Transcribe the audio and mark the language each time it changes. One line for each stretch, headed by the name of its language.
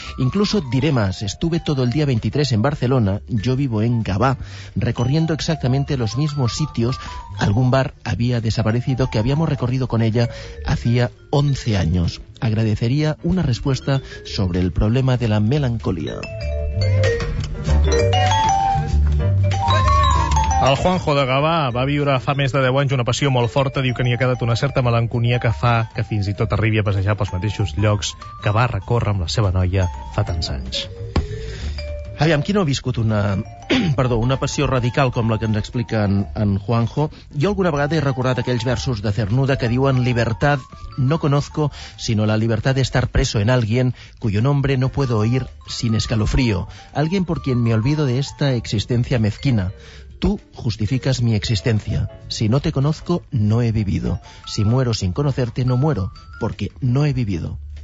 Spanish: Incluso diré más, estuve todo el día 23 en Barcelona, yo vivo en Gavà, recorriendo exactamente los mismos sitios. Algún bar había desaparecido que habíamos recorrido con ella hacía 11 años. Agradecería una respuesta sobre el problema de la melancolía.
Catalan: El Juanjo de Gavà va viure fa més de 10 anys una passió molt forta. Diu que n'hi ha quedat una certa melancolia que fa que fins i tot arribi a passejar pels mateixos llocs que va recórrer amb la seva noia fa tants anys. Aviam, qui no ha viscut una, perdó, una passió radical com la que ens explica en Juanjo? Jo alguna vegada he recordat aquells versos de Cernuda que diuen
Spanish: «Libertad no conozco, sino la libertad de estar preso en alguien cuyo nombre no puedo oír sin escalofrío. Alguien por quien me olvido de esta existencia mezquina». Tú justificas mi existencia. Si no te conozco, no he vivido. Si muero sin conocerte, no muero, porque no he vivido.